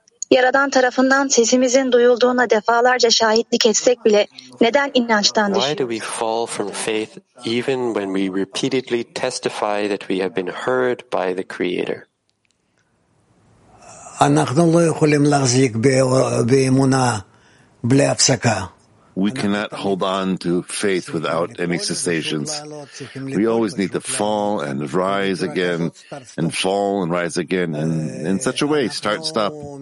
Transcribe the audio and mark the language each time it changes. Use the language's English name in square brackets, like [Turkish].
[Turkish] Yaradan tarafından sesimizin duyulduğuna defalarca şahitlik etsek bile neden inançtan düşüyoruz? [English] Why do we fall from faith even when we repeatedly testify that we have been heard by the Creator? [Hebrew] אנחנו לא יכולים להחזיק באמונה בלי הפסקה. [English] We cannot hold on to faith without any cessations. We always need to fall and rise again, and fall and rise again, and in such a way, start, stop.